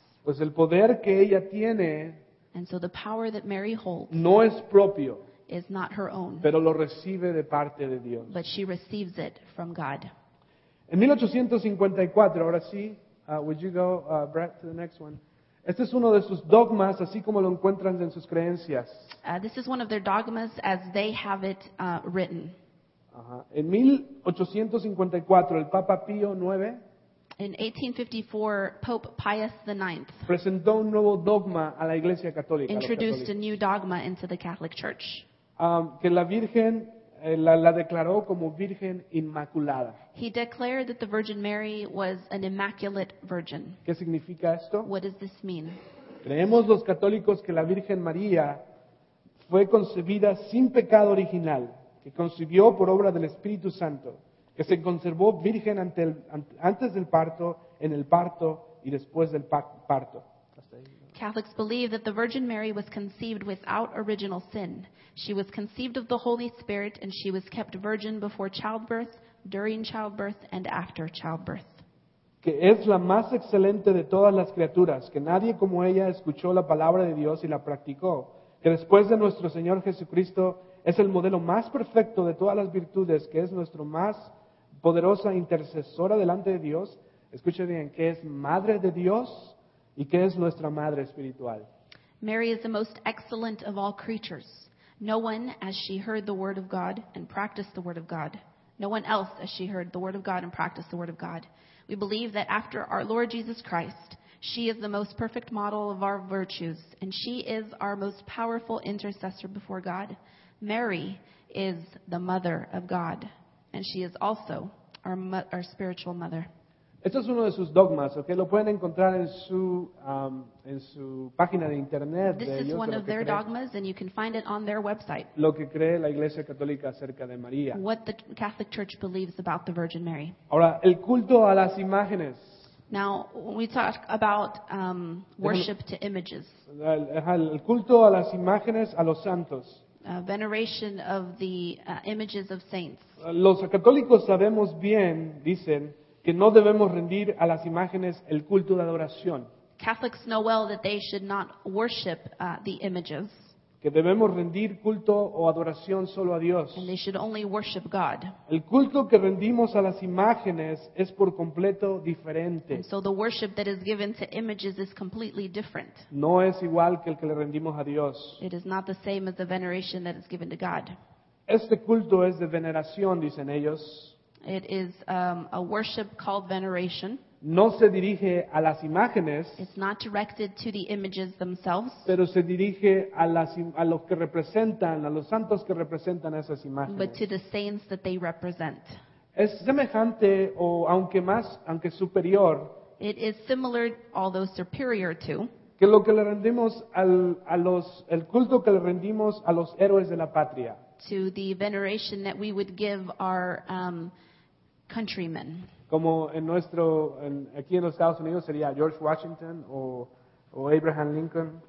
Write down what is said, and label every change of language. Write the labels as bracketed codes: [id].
[es] Pues el poder que ella tiene, [en] and so the power that Mary holds, [es] no es propio, [en] is not her own, [es] pero lo recibe de parte de Dios. [en] But she receives it from God. [es] En 1854, ahora sí, [en] would you go, Brett, to the next one? [es] Este es uno de sus dogmas, así como lo encuentran en sus creencias. [en] This is one of their dogmas as they have it written. [es] En 1854, el Papa Pío IX. [en] In 1854, Pope Pius IX. [es] Presentó un nuevo dogma a la Iglesia Católica. [en] Introduced a new dogma into the Catholic Church. [es] Que la Virgen la declaró como Virgen Inmaculada. [en] He declared that the Virgin Mary was an Immaculate Virgin. [es] ¿Qué significa esto? [en] What does this mean? [es] Creemos los católicos que la Virgen María fue concebida sin pecado original, que concibió por obra del Espíritu Santo, que se conservó virgen antes del parto, en el parto y después del parto. [en] Catholics believe that the Virgin Mary was conceived without original sin. She was conceived of the Holy Spirit and she was kept virgin before childbirth, during childbirth, and after childbirth. [es] Que es la más excelente de todas las criaturas, que nadie como ella escuchó la palabra de Dios y la practicó. Que después de nuestro Señor Jesucristo es el modelo más perfecto de todas las virtudes, que es nuestra más poderosa intercesora delante de Dios. Escuche bien, que es Madre de Dios. ¿Y qué es nuestra madre espiritual? [en] Mary is the most excellent of all creatures. No one, as she heard the word of God and practiced the word of God. No one else, as she heard the word of God and practiced the word of God. We believe that after our Lord Jesus Christ, she is the most perfect model of our virtues, and she is our most powerful intercessor before God. Mary is the mother of God, and she is also our spiritual mother. [es] Esto es uno de sus dogmas, ¿ok? Lo pueden encontrar en su página de internet. [en] This [es] de [en] is [es] ellos, [en] one [es] de [en] of their [es] cree, [en] dogmas, and you can find it on their website. [es] Lo que cree la Iglesia Católica acerca de María. [en] What the Catholic Church believes about the Virgin Mary. [es] Ahora, el culto a las imágenes. [en] Now, when we talk about worship to images. [es] El culto a las imágenes, a los santos. [en] Veneration of the images of saints. [es] Los católicos sabemos bien, dicen, que no debemos rendir a las imágenes el culto de adoración. [en] Catholics know well that they should not worship the images. [es] Que debemos rendir culto o adoración solo a Dios. [en] And they should only worship God. [es] El culto que rendimos a las imágenes es por completo diferente. [en] And so the worship that is given to images is completely different. [es] No es igual que el que le rendimos a Dios. [en] It is not the same as the veneration that is given to God. [es] Este culto es de veneración, dicen ellos. [en] It is a worship called veneration. [es] No se dirige a las imágenes. [en] It's not directed to the images themselves. [es] Pero se dirige a los que representan, a los santos que representan esas imágenes. [en] But to the saints that they represent. [es] Es semejante o aunque superior [en] It is similar, although superior to. [es] Que lo que le rendimos al, a los, el culto que le rendimos a los héroes de la patria. [en] To the veneration that we would give our countrymen. [es] Como en nuestro, en, aquí en los Estados Unidos sería George Washington o Abraham Lincoln.